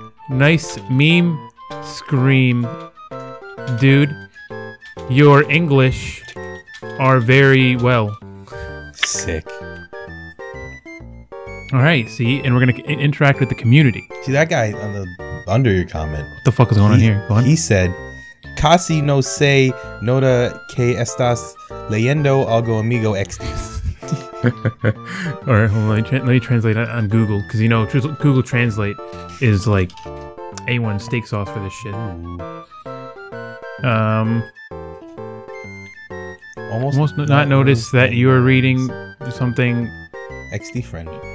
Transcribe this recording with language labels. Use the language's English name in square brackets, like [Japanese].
[English] Nice meme scream, dude. Your English are very well. Sick. All right, see? And we're going to interact with the community. See, that guy on the under your comment. What the fuck is going on here? Go on. He said, [Spanish] Casi no sé nota que estás leyendo algo amigo extis. [English] All right, hold on. Let me translate on Google. Because, you know, Google Translate is like A1 steak sauce for this shit. Almost not notice that you are reading something. XD friend.